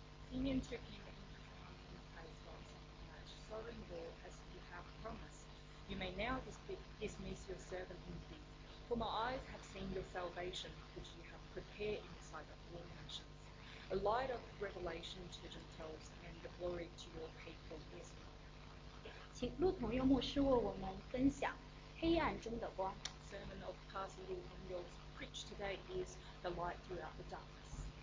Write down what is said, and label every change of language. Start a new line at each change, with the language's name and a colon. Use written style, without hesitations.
English: Simeon took him into his arms and praised God, saying, "Sovereign Lord, as you have promised, you may now dismiss your servant in peace, for my eyes have seen your salvation, which you have prepared in the sight of all nations, a light of revelation to Gentiles and the glory to your people Israel."
Chinese: 请陆同用牧师为我们分享黑暗中的光。
English: Sermon of Pastor Lee Hendels preached today is the light throughout the darkness.